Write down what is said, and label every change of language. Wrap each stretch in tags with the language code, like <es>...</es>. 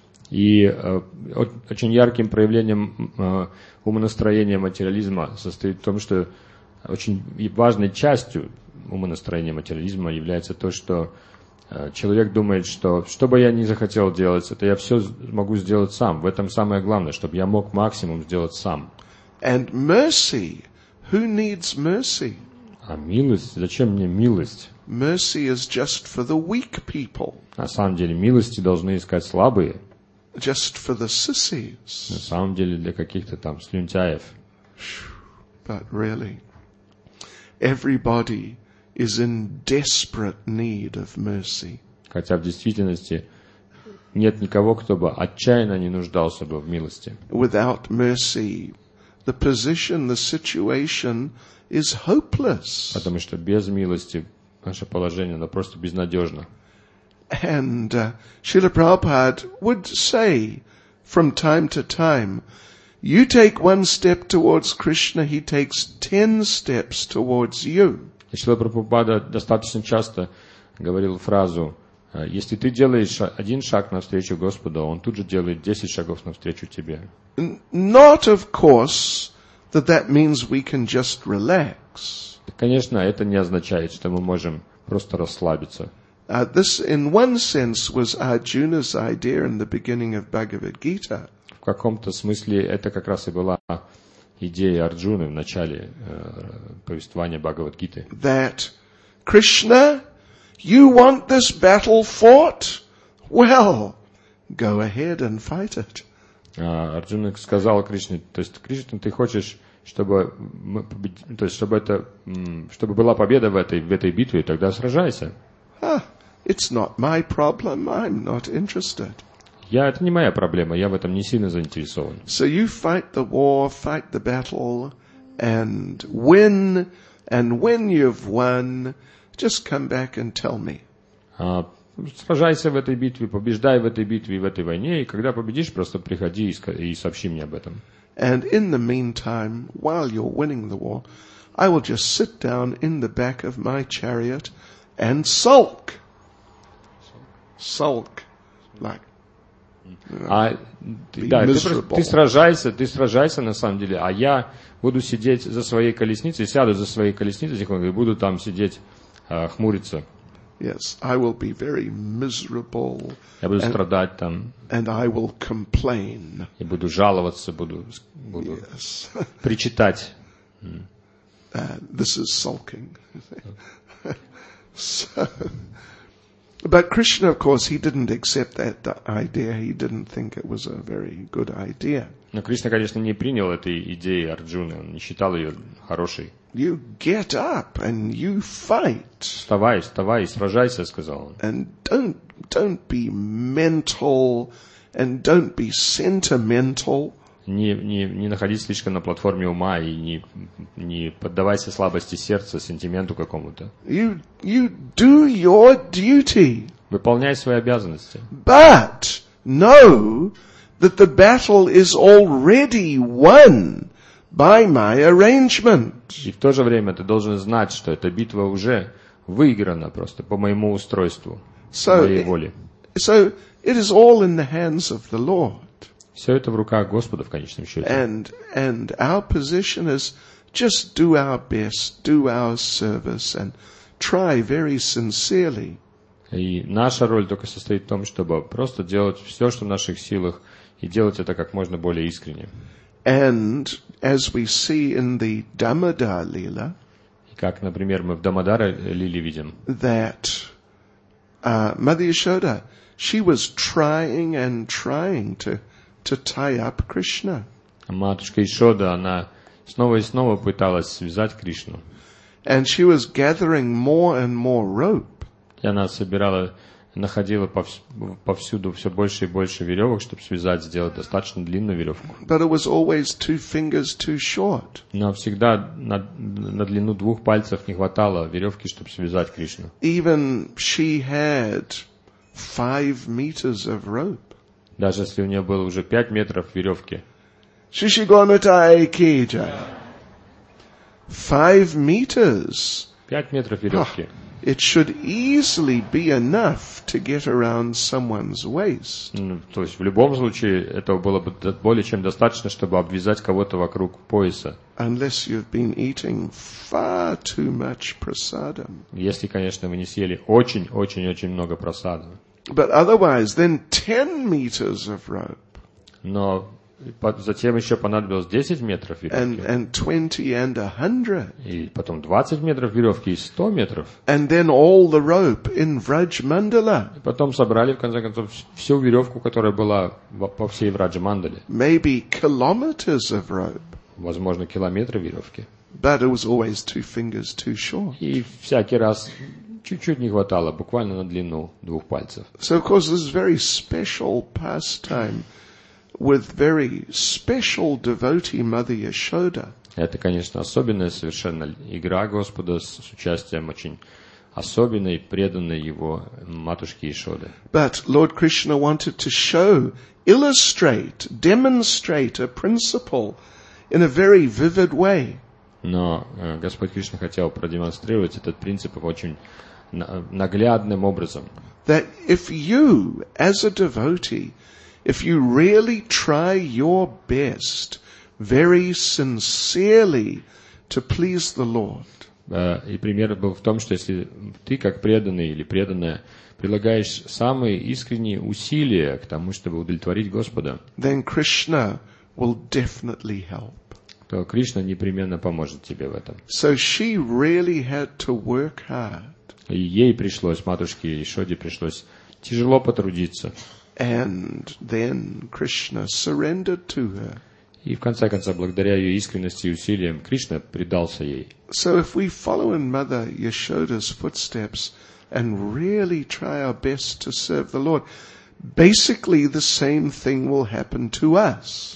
<ru>И очень ярким проявлением умонастроения материализма состоит в том, что очень важной частью умонастроения материализма является то, что человек думает, что бы я ни захотел делать, это я все могу сделать сам. В этом самое главное, чтобы я мог максимум сделать сам.</ru> <en>And mercy. Who needs mercy?</en> <ru>А милость? Зачем мне милость?</ru> <en>Mercy is just for the weak people.</en> <ru>На самом деле, милости должны искать слабые.</ru> <en>Just for the sissies.</en> <ru>На самом деле, для каких-то там слюнтяев.</ru> <en>But really, everybody is in desperate need of mercy.</en> <ru>Хотя в действительности нет никого, кто бы отчаянно не нуждался бы в милости.</ru> <en>Without mercy, the position, the situation is hopeless.</en> <ru>Потому что без милости наше положение, оно просто безнадежно.</ru> <en>And Srila Prabhupada would say from time to time, you take one step towards Krishna, he takes 10 steps towards you.</en> <ru>Шрила Прабхупада достаточно часто говорил фразу: если ты делаешь один шаг навстречу Господу, Он тут же делает 10 шагов навстречу тебе.</ru> <en>Not, of course, that means we can just relax.</en> <ru>Конечно, это не означает, что мы можем просто расслабиться.</ru> <en>This, in one sense, was Arjuna's idea in the beginning of Bhagavad Gita.</en> <ru>В каком-то смысле это как раз и была идея Арджуны в начале повествования Бхагавад Гиты.</ru> <en>That Krishna, you want this battle fought? Well, go ahead and fight it.</en> <ru>Арджуна сказал Кришне, то есть Кришна, ты хочешь, чтобы мы победили, то есть чтобы это, чтобы была победа в этой битве, тогда сражайся.</ru> <en>It's not my problem. I'm not interested.</en> <ru>Я, это не моя проблема. Я в этом не сильно заинтересован.</ru> <en>So you fight the war, fight the battle, and win. And when you've won, just come back and tell me.</en> <ru>Сражайся в этой битве, побеждай в этой битве, в этой войне, и когда победишь, просто приходи и сообщи мне об этом.</ru> <en>And in the meantime, while you're winning the war, I will just sit down in the back of my chariot and sulk. Sulk, like.</en> <ru>Ты сражайся на самом деле, а я буду сидеть за своей колесницей, сяду за своей колесницей и буду там сидеть, хмуриться.</ru> <en>Yes, I will be very miserable.</en> <ru>Я буду страдать там.</ru> <en>And I will complain.</en> <ru>Я буду жаловаться, буду</ru> <en>yes.</en> <ru>причитать.</ru> <en>This is sulking. So, but Krishna, of course, he didn't accept that idea. He didn't think it was a very good idea.</en> <ru>Но Кришна, конечно, не принял этой идеи Арджуны. Он не считал ее хорошей.</ru> <en>You get up and you fight.</en> <ru>Вставай, сражайся, сказал он.</ru> <en>And don't be mental and don't be sentimental.</en> <ru>Не находись слишком на платформе ума и не поддавайся слабости сердца, сентименту какому-то.</ru> <en>You do your duty.</en> <ru>Выполняй свои обязанности.</ru> <en>But know that the battle is already won by my arrangement.</en> <ru>И в то же время ты должен знать, что эта битва уже выиграна просто по моему устройству, по моей воле.</ru> <en>So it is all in the hands of the Lord.</en> <ru>Все это в руках Господа в конечном счете.</ru> <en>And our position is just do our best, do our service, and try very sincerely.</en> <ru>И наша роль только состоит в том, чтобы просто делать все, что в наших силах, и делать это как можно более искренне.</ru> <en>And as we see in the Damodar-лила,</en> <ru>как, например, мы в Дамодара-лиле видим,</ru> <en>that Mother Yashoda, she was trying to tie up Krishna.</en> <ru>Матушка Ишода, она снова и снова пыталась связать Кришну.</ru> <en>And she was gathering more and more rope.</en> <ru>И она собирала, находила повсюду все больше и больше веревок, чтобы связать, сделать достаточно длинную веревку.</ru> <en>But it was always two fingers too short.</en> <ru>Но всегда на длину двух пальцев не хватало веревки, чтобы связать Кришну.</ru> <en>Even she had 5 meters of rope.</en> <ru>Даже если у нее было уже 5 метров веревки. Шишигонатайкиджа.</ru> <en>5 meters.</en> <ru>5 метров веревки.</ru> <en>It should easily be enough to get around someone's waist.</en> <ru>То есть в любом случае этого было бы более чем достаточно, чтобы обвязать кого-то вокруг пояса.</ru> <en>Unless you've been eating far too much prasadam.</en> <ru>Если, конечно, вы не съели очень-очень-очень много прасада.</ru> <en>But otherwise, then 10 meters of rope.</en> <ru>Но затем еще понадобилось 10 метров веревки.</ru> <en>And 20 and 100.</en> <ru>И потом 20 метров веревки и 100 метров.</ru> <en>And then all the rope in Vraj Mandala.</en> <ru>И потом собрали в конце концов всю веревку, которая была по всей Враджа Мандале.</ru> <en>Maybe kilometers of rope.</en> <ru>Возможно, километры веревки.</ru> <en>But it was always two fingers too short.</en> <ru>И всякий раз чуть-чуть не хватало, буквально на длину двух пальцев.</ru> <en>So, of course, this is very special pastime with very special devotee Mother Yashoda.</en> <ru>Это, конечно, особенная совершенно игра Господа с участием очень особенной, преданной Его матушки Ишоды.</ru> <en>But Lord Krishna wanted to show, illustrate, demonstrate a principle in a very vivid way.</en> <ru>Но Господь Кришна хотел продемонстрировать этот принцип в очень наглядным образом.</ru> <en>That if you, as a devotee, if you really try your best, very sincerely, to please the Lord.</en> <ru>И пример был в том, что если ты, как преданный или преданная, прилагаешь самые искренние усилия к тому, чтобы удовлетворить Господа,</ru> <en>then Krishna will definitely help.</en> <ru>То Кришна непременно поможет тебе в этом.</ru> <en>So she really had to work hard.</en> <ru>И ей пришлось, матушке Ишоде пришлось тяжело потрудиться.</ru> <en>And then Krishna surrendered to her.</en> <ru>И в конце концов, благодаря ее искренности и усилиям, Кришна предался ей.</ru> <en>So if we follow in Mother Yashoda's footsteps and really try our best to serve the Lord, basically the same thing will happen to us.</en>